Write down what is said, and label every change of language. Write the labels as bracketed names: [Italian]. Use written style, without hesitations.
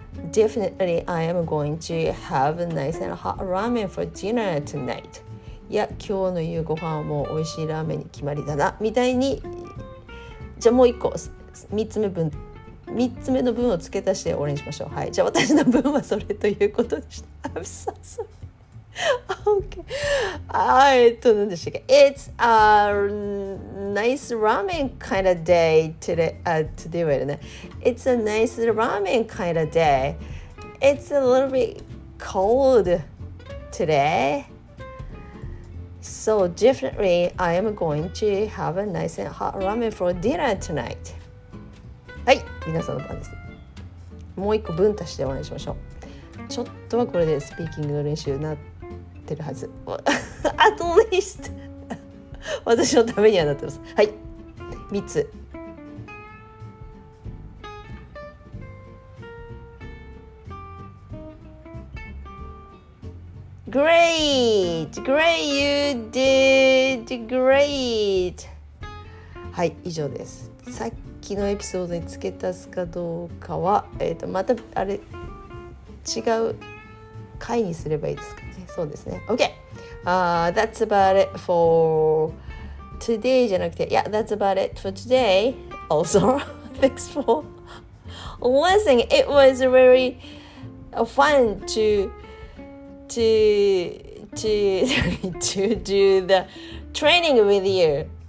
[English] Definitely I am going to have a nice and hot ramen for dinner tonight. [Japanese] いや、今日の夕ご飯はもう美味しいラーメンに決まりだな、みたいに。じゃあもう一個、3つ目の文を付け足して終わりにしましょう。はい、じゃあ私の文はそれということでした。 [English] I'm so sorry. Okay. [Japanese] なんでしたっけ。 [English] It's a nice ramen kind of day today. Today [Japanese] はいるね。 [English] It's a nice ramen kind of day. It's a little bit cold today. So definitely, I am going to have a nice and hot ramen for dinner tonight. [Japanese] はい、皆さんの番です。もう一個分足して応援しましょう。ちょっとはこれでスピーキングの練習になってるはず。 [English] At least [Japanese] 私のためにはなってます。はい、3つ。 [English] Great! Great! You did great! [Japanese] はい、以上です。さっきのエピソードに付け足すかどうかは、またあれ違う回にすればいいですかね。そうですね。 [English] OK!、That's about it for today [Japanese] じゃなくて、 [English] Yeah, that's about it for today. Also, thanks for listening. It was very fun to do the training with you.